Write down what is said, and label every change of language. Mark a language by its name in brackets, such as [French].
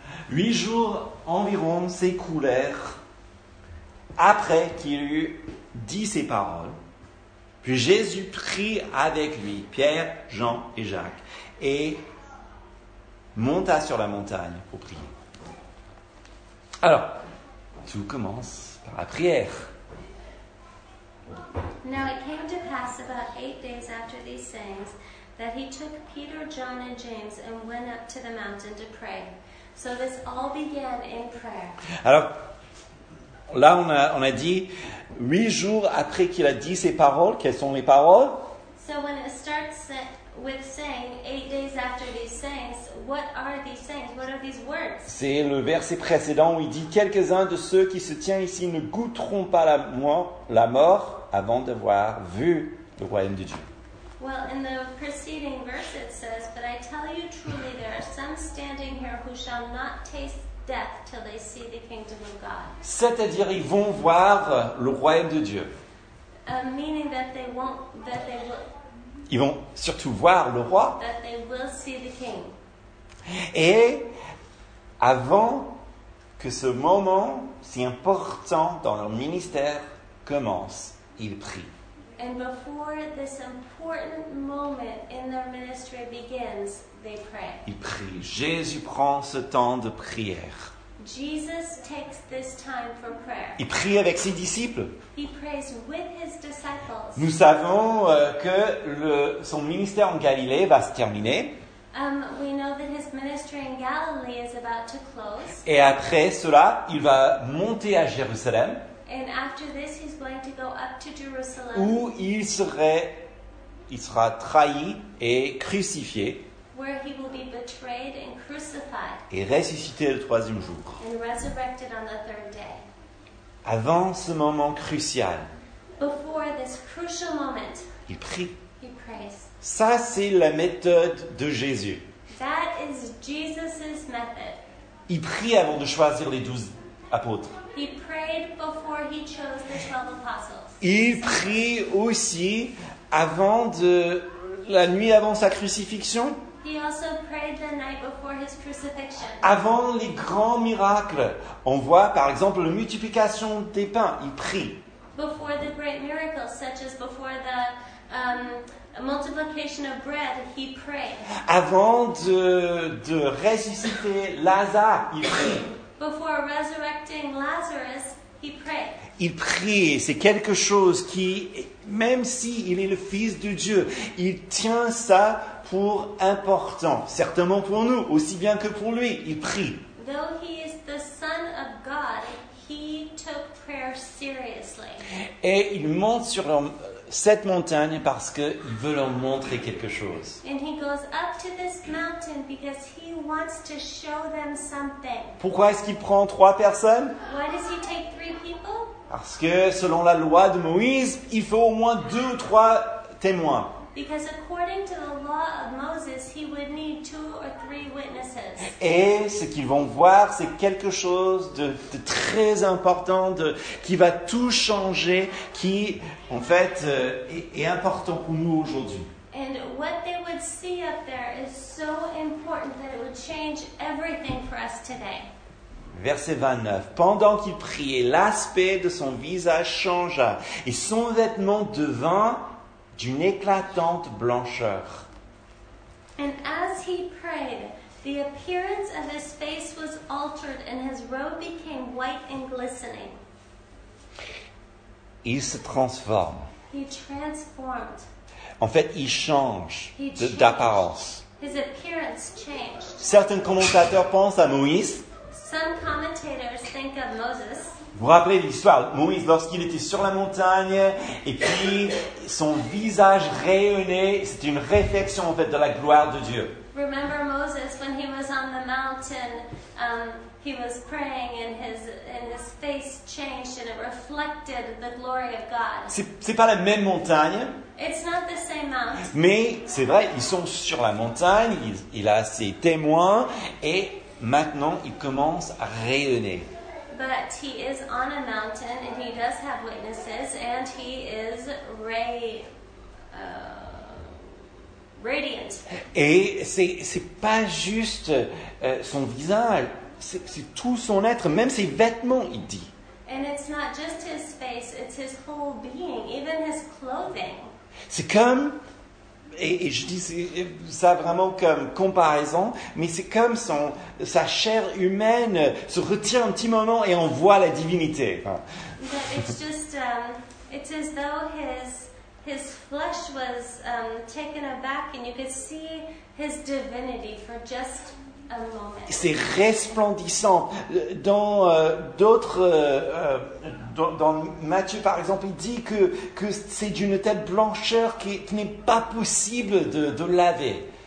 [French] 8 jours environ s'écoulèrent après qu'il eut dit ces paroles. Puis Jésus prit avec lui Pierre, Jean et Jacques et monta sur la montagne pour prier. Alors, tout commence par la prière. [English] Now it came to pass about 8 days after these sayings that he took Peter, John and James and went up to the mountain to pray. So this all began in prayer. [French] Alors, là on a dit 8 jours après qu'il a dit ces paroles, quelles sont les paroles? [English] So when it starts with saying 8 days after these sayings, what are these sayings? What are these words? [French] C'est le verset précédent où il dit quelques-uns de ceux qui se tiennent ici ne goûteront pas la mort avant d'avoir vu le royaume de Dieu. [English] Well, in the preceding verse it says, but I tell you truly, there are some standing here who shall not taste death till they see the kingdom of God. [French] C'est-à-dire ils vont voir le royaume de Dieu. [English] Meaning that they won't, that they will. [French] Ils vont surtout voir le roi. [English] That they will see the king. [French] Et avant que ce moment si important dans leur ministère commence, ils prient. [English] And before this important moment in their ministry begins, they pray. [French] Ils prient. Jésus prend ce temps de prière. [English] Jesus takes this time for prayer. [French] Il prie avec ses disciples. [English] He prays with his disciples. [French] Nous savons que son ministère en Galilée va se terminer. [English] We know that his ministry in Galilee is about to close. [French] Et après cela, il va monter à Jérusalem. [English] And after this, he's going to go up to Jerusalem. [French] Où il sera trahi et crucifié. [English] Where he will be betrayed and crucified. [French] Et ressuscité le troisième jour. [English] And resurrected on the third day. [French] Avant ce moment crucial. [English] Before this crucial moment. [French] Il prie. [English] He prays. [French] Ça, c'est la méthode de Jésus. [English] That is Jesus's method. [French] Il prie avant de choisir les 12 apôtres. [English] He prayed before he chose the 12 apostles. [French] Il prie aussi avant de la nuit avant sa crucifixion. [English] He also prayed the night before his crucifixion. [French] Avant les grands miracles, on voit par exemple la multiplication des pains, il prie. [English] Before the great miracles, such as before the multiplication of bread, he prayed. [French] Avant de ressusciter Lazare, il prie. [English] Before resurrecting Lazarus, he prayed. [French] Il prie, c'est quelque chose qui, même s'il est le Fils de Dieu, il tient ça pour important, certainement pour nous, aussi bien que pour lui, il prie. [English] Though he is the Son of God, he took prayer seriously. [French] Et il monte sur cette montagne parce qu'il veut leur montrer quelque chose. [English] And he goes up to this mountain because he wants to show them something. [French] Pourquoi est-ce qu'il prend 3 personnes? [English] Why does he take 3 people? [French] Parce que selon la loi de Moïse, il faut au moins 2 ou 3 témoins. [English] Because according to the law of Moses, he would need 2 or 3 witnesses. [French] Et ce qu'ils vont voir, c'est quelque chose de très important, qui va tout changer, qui en fait est important pour nous aujourd'hui. [English] And what they would see up there is so important that it would change everything for us today. [French] Verset 29. Pendant qu'il priait, l'aspect de son visage changea et son vêtement devint d'une éclatante blancheur. [English] And as he prayed, the appearance of his face was altered and his robe became white and glistening. [French] Il se transforme. [English] He transformed. [French] En fait, il change d'apparence. [English] His appearance changed. [French] Certains commentateurs pensent à Moïse. [English] Some commentators think of Moses. [French] Vous vous rappelez l'histoire, Moïse, lorsqu'il était sur la montagne, et puis son visage rayonnait, c'était une réflexion en fait de la gloire de Dieu. [English] Remember Moses, when he was on the mountain, he was praying and his face changed and it reflected the glory of God. [French] C'est pas la même montagne. [English] It's not the same mountain. [French] Mais c'est vrai, ils sont sur la montagne, il a ses témoins, et maintenant il commence à rayonner. [English] But he is on a mountain and he does have witnesses and he is radiant. [French] Et c'est pas juste son visage, c'est tout son être, même ses vêtements, il dit. [English] And it's not just his face, it's his whole being, even his clothing. [French] C'est comme, et je dis ça vraiment comme comparaison, mais c'est comme sa chair humaine se retire un petit moment et on voit la divinité. [English] It's just it's as though his flesh was taken aback and you could see his divinity for just a moment. [French] C'est resplendissant. Dans d'autres dans Matthieu, par exemple, il dit que c'est d'une telle blancheur qui n'est pas possible de laver.